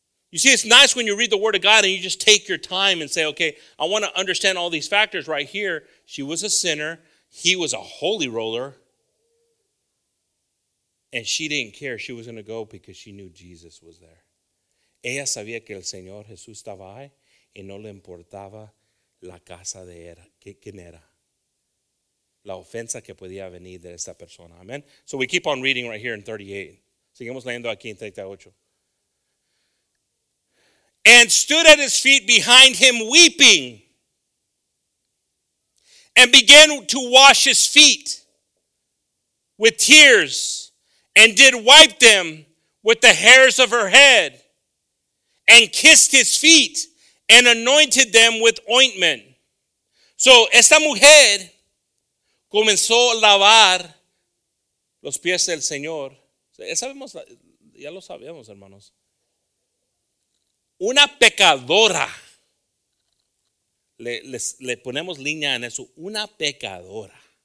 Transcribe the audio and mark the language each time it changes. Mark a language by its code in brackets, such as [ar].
[en] You see, it's nice when you read the Word of God and you just take your time and say, okay, I want to understand all these factors right here. She was a sinner. He was a holy roller. And she didn't care. She was going to go because she knew Jesus was there. [es] Ella sabía que el Señor Jesús estaba ahí y no le importaba la casa de era, quién era. La ofensa que podía venir de esta persona. [en] Amen. So we keep on reading right here in 38. [es] Seguimos leyendo aquí en 38. [en] And stood at his feet behind him weeping. And began to wash his feet with tears. And did wipe them with the hairs of her head. And kissed his feet and anointed them with ointment. [es] So esta mujer comenzó a lavar los pies del Señor. Sabemos, ya lo sabemos, hermanos. Una pecadora. Le ponemos línea en eso. Una pecadora.